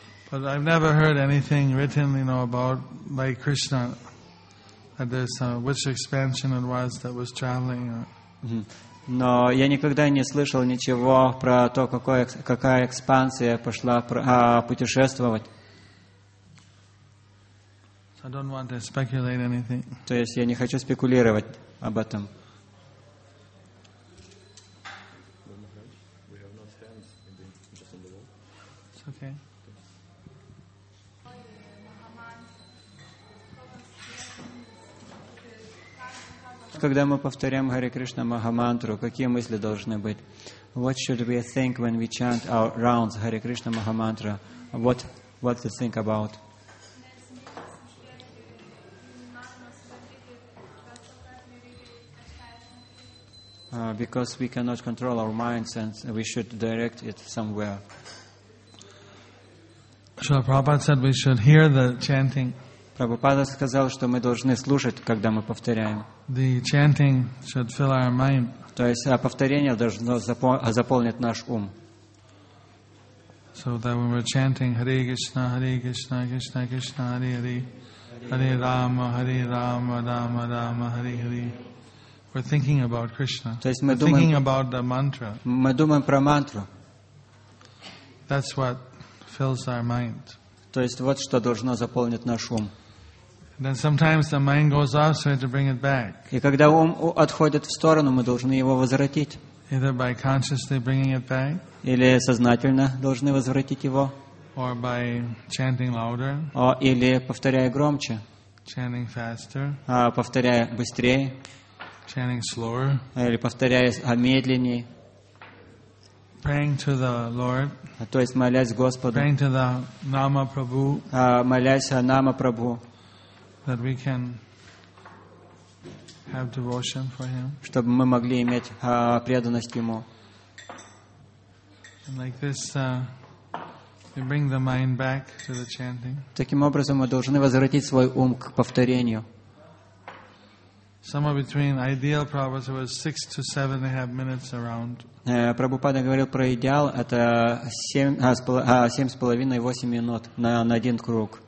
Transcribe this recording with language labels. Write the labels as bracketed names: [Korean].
[English] But I've never heard anything written, you know, about like Krishna, that there's which expansion it was that was traveling. [Russian] Но я никогда не слышал ничего про то, какая экспансия пошла путешествовать. [English] I don't want to speculate anything. [Russian] То есть я не хочу спекулировать об этом. Когда мы повторяем Hare Krishna Mahamantra, какие мысли должны быть? [English] What should we think when we chant our rounds Hare Krishna Mahamantra? What to think about? Because we cannot control our minds and we should direct it somewhere. Srila Prabhupada said we should hear the chanting. [Russian] Прабхупада сказал, что мы должны слушать, когда мы повторяем. [English] The chanting should fill our mind. [Russian] То есть повторение должно заполнить наш ум. [English] So that when we're chanting Hare Krishna, Hare Krishna, Krishna Krishna, Hare Hare, Hare Rama, Hare Rama, Rama Rama, Hare Hare, we're thinking about Krishna. [Russian] То есть [English] thinking about the mantra. [Russian] Мы думаем про мантру. [English] That's what fills our mind. [Russian] То есть вот что должно заполнить наш ум. [English] Then sometimes the mind goes off, so we have to bring it back. [Russian] И когда ум отходит в сторону, мы должны его возвратить. [English] Either by consciously bringing it back. [Russian] Или сознательно должны возвратить его. [English] Or by chanting louder. [Russian] Или повторяя громче. [English] Chanting faster. [Russian] Повторяя быстрее. [English] Chanting slower. [Russian] Или повторяя медленнее. [English] Praying to the Lord. [Russian] То есть молясь Господу. [English] Praying to the Nama Prabhu. [Russian] Молясь о Нама Прабху. [English] That we can have devotion for him. [Russian] Чтобы мы могли иметь преданность ему. [English] And like this, we bring the mind back to the chanting. [Russian] Таким образом мы должны возвратить свой ум к повторению. [English] Somewhere between ideal Prabhupada was 6 to 7.5 minutes around. [Russian] Прабхупада говорил про идеал, это 7.5-8 минут на один круг.